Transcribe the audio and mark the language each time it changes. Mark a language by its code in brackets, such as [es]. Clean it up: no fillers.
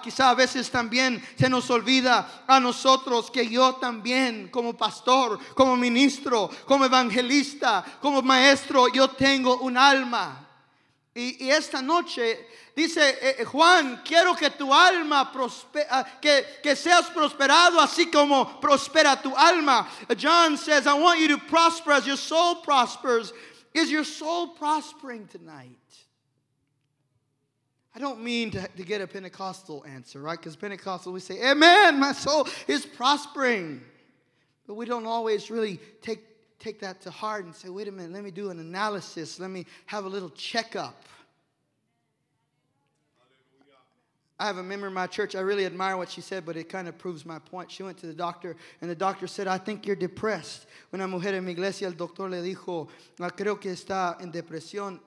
[es] Quizás a veces también se nos olvida a nosotros que yo también, como pastor, como ministro, como evangelista, lista, como maestro, yo tengo un alma. Y esta noche dice Juan, quiero que tu alma prospera, que seas prosperado así como prospera tu alma. [en] John says, I want you to prosper as your soul prospers. Is your soul prospering tonight? I don't mean to get a Pentecostal answer, right? Because Pentecostal, we say, amen, my soul is prospering. But we don't always really take that to heart and say, wait a minute, let me do an analysis. Let me have a little checkup. Hallelujah. I have a member of my church. I really admire what she said, but it kind of proves my point. She went to the doctor, and the doctor said, I think you're depressed. [es] Una mujer en mi iglesia, el doctor le dijo, no, creo que está en depresión.